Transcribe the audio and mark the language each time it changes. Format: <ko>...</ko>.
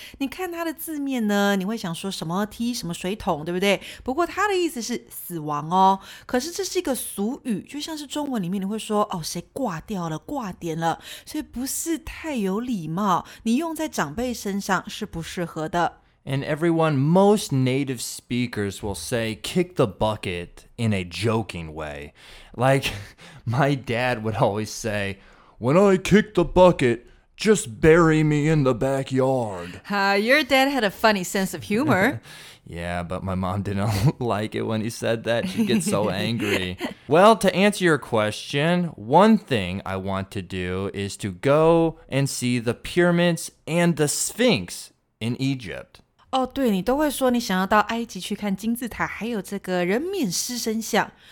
<zh>你看它的字面呢，你会想说什么踢什么水桶，对不对？不过它的意思是死亡哦。可是这是一个俗语，就像是中文里面你会说哦，谁挂掉了，挂点了，所以不是太有礼貌，你用在长辈身上是不适合的。</zh> <en>And everyone, most native speakers will say kick the bucket in a joking way. Like my dad would always say, when I kick the bucket,Just bury me in the backyard. Your dad had a funny sense of humor. Yeah, but my mom didn't like it when he said that. She'd get so angry. Well, to answer your question, one thing I want to do is to go and see the pyramids and the Sphinx in Egypt.</en> <zh>Oh, 对，你都会说你想要到埃及去看金字塔，还有这个人面狮身像。</zh>